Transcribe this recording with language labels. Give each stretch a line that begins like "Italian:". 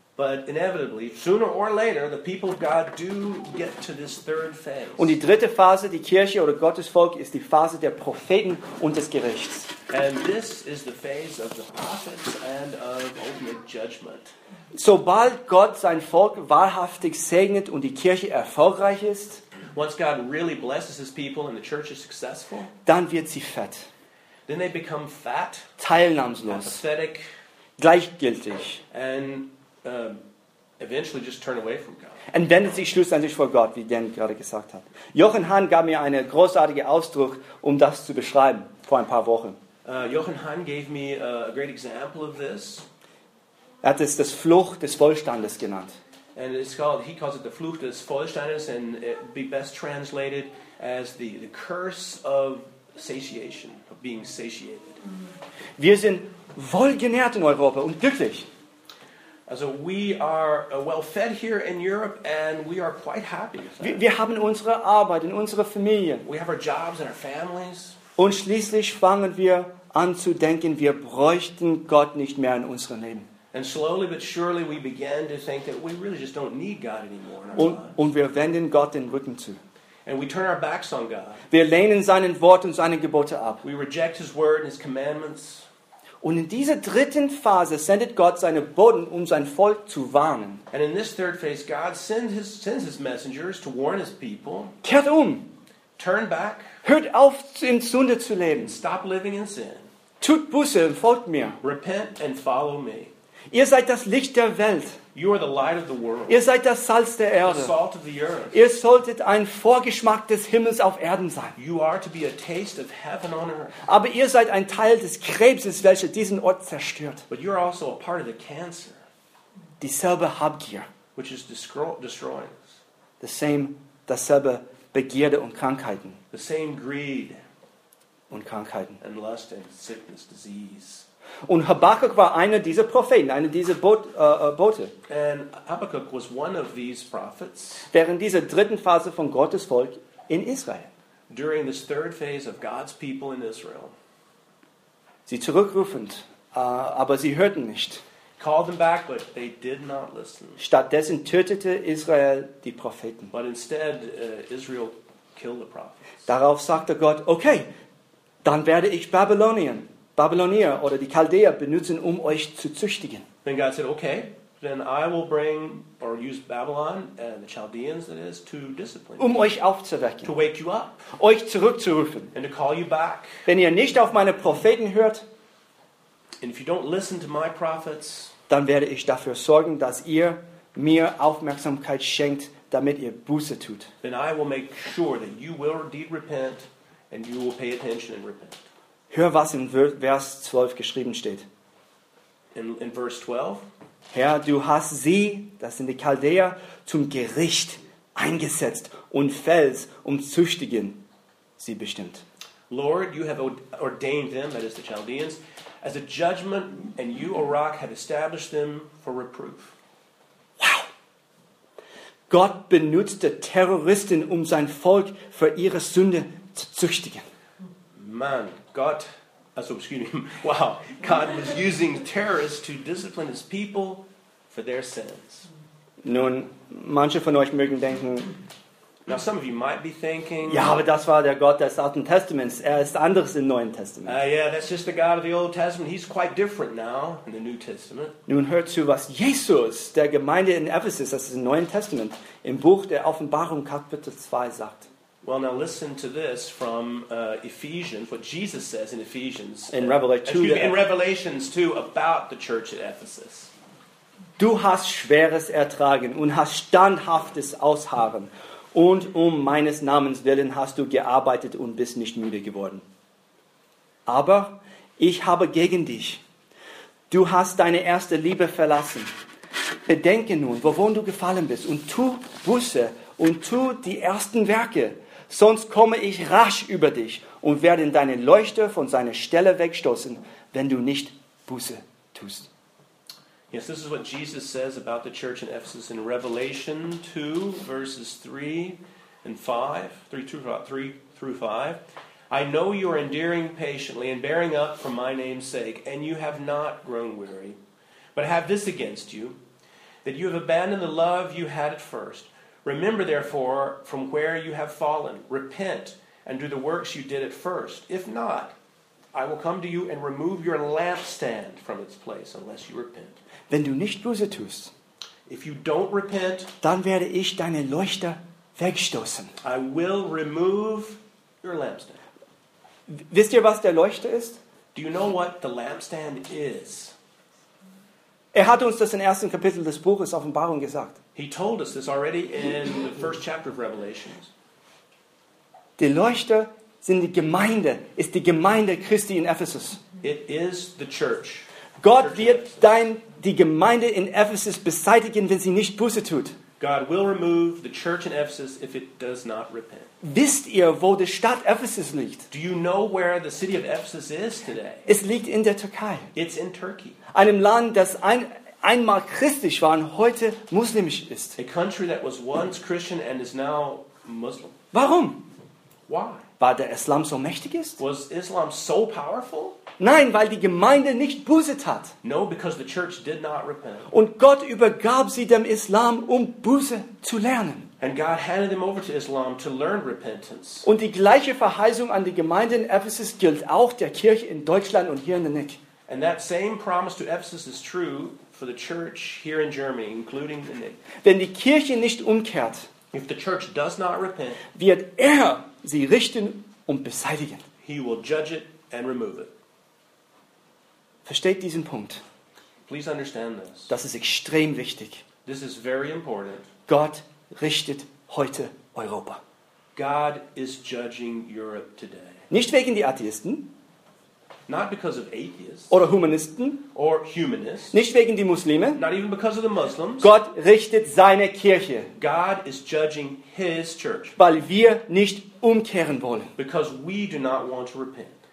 English: But inevitably, sooner or later, the people of God do get to this third phase.
German: Und die dritte Phase, die Kirche oder Gottes Volk, ist die Phase der Propheten und des Gerichts.
English: And this is the phase of the prophets and of ultimate judgment.
German: Sobald Gott sein Volk wahrhaftig segnet und die Kirche erfolgreich ist,
English: once God really blesses his people and the church is successful,
German: dann wird sie fett.
English: Then they become fat,
German: teilnahmslos,
English: apathetic,
German: gleichgültig,
English: and eventually just turn away from God.
German: Und wendet sich schlussendlich vor Gott, wie Dan gerade gesagt hat. Jochen Hahn gab mir einen großartigen Ausdruck, um das zu beschreiben, vor ein paar Wochen.
English: Jochen Hahn gave me a great example of this.
German: Er hat es das Fluch des Wohlstandes genannt.
English: And he calls it the
German: Fluch des Wohlstandes,
English: and it would be best translated as the curse of satiation, of being satiated.
German: Wir sind wohlgenährt in Europa und glücklich.
English: Also we are well fed here in Europe and we are quite happy.
German: Wir haben unsere Arbeit in unserer Familie.
English: We have our jobs and our families.
German: Und schließlich fangen wir an zu denken, wir bräuchten Gott nicht mehr in unserem Leben.
English: And slowly but surely we begin to think that we really just don't need God anymore in our lives.
German: Und wir wenden Gott den Rücken zu.
English: And we turn our backs on God.
German: Wir lehnen seinen Wort und seine Gebote ab.
English: We reject his word and his commandments.
German: Und in dieser dritten Phase sendet Gott seine Boten, um sein Volk zu warnen.
English: And in this third phase, God sends his messengers to warn his people.
German: Kehrt um.
English: Turn back.
German: Hört auf, in Sünde zu leben.
English: Stop living in sin.
German: Tut Buße und folgt mir.
English: Repent and follow me.
German: Ihr seid das Licht der Welt.
English: You are the light of the world.
German: Ihr seid das Salz der Erde.
English: The salt of the earth.
German: Ihr solltet ein Vorgeschmack des Himmels auf Erden sein.
English: You are to be a taste of heaven on earth.
German: Aber ihr seid ein Teil des Krebses, welcher diesen Ort zerstört.
English: But you are also a part of the cancer.
German: Dieselbe Habgier.
English: Which is destroying us.
German: Dasselbe Begierde und Krankheiten.
English: The same greed.
German: und Krankheiten.
English: And lust and sickness, disease.
German: Und Habakkuk war einer dieser Propheten, einer dieser Bote.
English: And Habakkuk was one of these prophets.
German: Während dieser dritten Phase von Gottes Volk in Israel.
English: During this third phase of God's people in Israel.
German: Sie zurückrufend, aber sie hörten nicht.
English: Called them back, but they did not listen.
German: Stattdessen tötete Israel die Propheten.
English: But instead, Israel killed the prophets.
German: Darauf sagte Gott, okay, dann werde ich Babylonier oder die Chaldeer benutzen, um euch zu züchtigen.
English: Then God said, okay, then I will bring or use Babylon and the Chaldeans, that is, to discipline you.
German: Um euch aufzuwecken.
English: To wake you up.
German: Euch zurückzurufen.
English: And to call you back.
German: Wenn ihr nicht auf meine Propheten hört,
English: and if you don't listen to my prophets,
German: dann werde ich dafür sorgen, dass ihr mir Aufmerksamkeit schenkt, damit ihr Buße tut.
English: Then I will make sure that you will indeed repent and you will pay attention and repent.
German: Hör, was in Vers 12 geschrieben steht. In Vers 12. Herr, du hast sie, das sind die Chaldeer, zum Gericht eingesetzt und Fels um züchtigen sie bestimmt.
English: Lord, you have ordained them, that is the Chaldeans, as a judgment, and you, O Rock, have established them for reproof. Wow!
German: Gott benutzte Terroristen, um sein Volk für ihre Sünde zu züchtigen.
English: Man, Gott, also excuse me, wow, God was using terrorists to discipline his people for their sins.
German: Nun, manche von euch mögen denken,
English: now some of you might be thinking,
German: ja, aber das war der Gott des Alten Testaments, er ist anders im Neuen Testament.
English: Yeah, that's just the God of the Old Testament, he's quite different now in the New Testament.
German: Nun hört zu, was Jesus der Gemeinde in Ephesus, das ist im Neuen Testament, im Buch der Offenbarung Kapitel 2 sagt.
English: Well, now listen to this from Ephesians, what Jesus says in Ephesians. In Revelation 2. In Revelations 2 about the church at Ephesus.
German: Du hast Schweres ertragen und hast standhaftes Ausharren. Und um meines Namens willen hast du gearbeitet und bist nicht müde geworden. Aber ich habe gegen dich. Du hast deine erste Liebe verlassen. Bedenke nun, wovon du gefallen bist und tu Buße und tu die ersten Werke. Sonst komme ich rasch über dich und werde deine Leuchter von seiner Stelle wegstoßen, wenn du nicht Buße tust.
English: Yes, this is what Jesus says about the church in Ephesus in Revelation 2, verses 3 and 5, 3 through 5. I know you are enduring patiently and bearing up for my name's sake, and you have not grown weary. But I have this against you, that you have abandoned the love you had at first. Remember, therefore, from where you have fallen. Repent and do the works you did at first. If not, I will come to you and remove your lampstand from its place, unless you repent.
German: Wenn du nicht Buße tust,
English: if you don't repent,
German: dann werde ich deine Leuchter wegstoßen.
English: I will remove your lampstand.
German: Wisst ihr, was der Leuchter ist?
English: Do you know what the lampstand is?
German: Er hat uns das im ersten Kapitel des Buches Offenbarung gesagt.
English: He told us this already in the first chapter of Revelation.
German: Die Leuchter sind die Gemeinde, ist die Gemeinde Christi in Ephesus.
English: It is the church.
German: Gott wird die Gemeinde in Ephesus beseitigen, wenn sie nicht Buße tut.
English: God will remove the church in Ephesus if it does not repent.
German: Wisst ihr, wo die Stadt Ephesus liegt?
English: Do you know where the city of Ephesus is today?
German: Es liegt in der Türkei.
English: It's in Turkey.
German: Einem Land, das einmal christlich war und heute muslimisch ist.
English: A country that was once Christian and is now Muslim.
German: Warum?
English: Why?
German: War der Islam so mächtig ist?
English: Was Islam so powerful?
German: Nein, weil die Gemeinde nicht Buße tat.
English: No, because the church did not repent.
German: Und Gott übergab sie dem Islam, um Buße zu lernen.
English: And God handed them over to Islam to learn repentance.
German: Und die gleiche Verheißung an die Gemeinde in Ephesus gilt auch der Kirche in Deutschland und hier in der Nick.
English: And that same promise to Ephesus is true for the church here in Germany, including the Nick.
German: Wenn die Kirche nicht umkehrt,
English: if the church does not repent,
German: wird er sie richten und beseitigen.
English: He will judge it and remove it.
German: Versteht diesen Punkt.
English: Please understand this.
German: Das ist extrem wichtig.
English: This is very important.
German: Gott richtet heute Europa.
English: God is judging Europe today.
German: Nicht wegen die Atheisten.
English: Not because of atheists.
German: Oder Humanisten.
English: Or humanists.
German: Nicht wegen die Muslime.
English: Not even because of the Muslims.
German: Gott richtet seine Kirche.
English: God is judging his church.
German: Weil wir nicht umkehren wollen.
English: Because we do not want to repent.